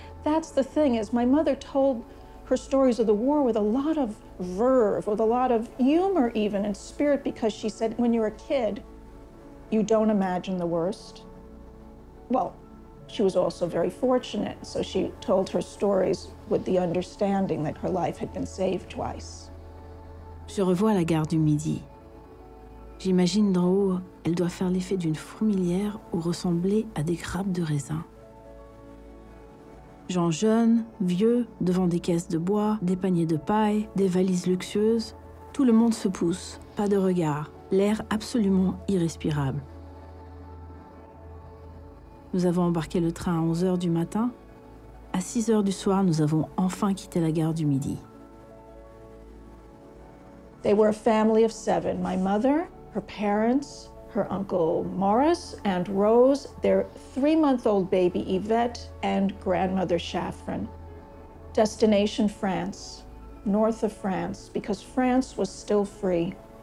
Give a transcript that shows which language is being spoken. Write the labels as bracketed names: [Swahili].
[English] That's the thing, is my mother told her stories of the war with a lot of verve, with a lot of humor even, and spirit, because she said, when you're a kid, you don't imagine the worst. Well, she was also very fortunate, so she told her stories with the understanding that her life had been saved twice. [French] Je revois la gare du Midi. J'imagine d'en haut, elle doit faire l'effet d'une fourmilière ou ressembler à des grappes de raisin. Gens jeunes, vieux, devant des caisses de bois, des paniers de paille, des valises luxueuses, tout le monde se pousse, pas de regard. L'air absolument irrespirable. Nous avons embarqué le train à 11h du matin. À 6h du soir, nous avons enfin quitté la gare du Midi. [English] They were a family of seven. My mother, her parents, her uncle Morris, Aunt Rose, their three-month-old baby Yvette, and grandmother Szafran. Destination France, north of France, because France was still free.